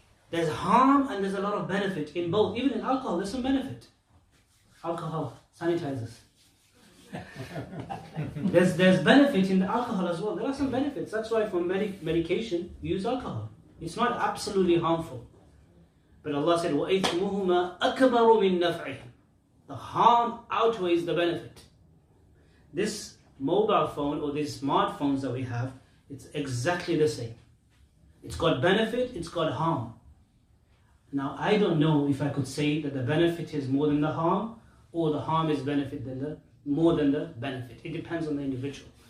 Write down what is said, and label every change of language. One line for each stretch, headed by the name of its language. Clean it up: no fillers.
English: There's harm and there's a lot of benefit in both. Even in alcohol, there's some benefit. Alcohol sanitizes. there's benefit in the alcohol as well. There are some benefits. That's why for medication, we use alcohol. It's not absolutely harmful. But Allah said,
Arabic: وَإِثْمُهُمَا أَكْبَرُ مِنْ نَفْعِهِ.
English: The harm outweighs the benefit. This mobile phone or these smartphones that we have, it's exactly the same. It's got benefit, it's got harm. Now, I don't know if I could say that the benefit is more than the harm, or the harm is benefit than the more than the benefit. It depends on the individual.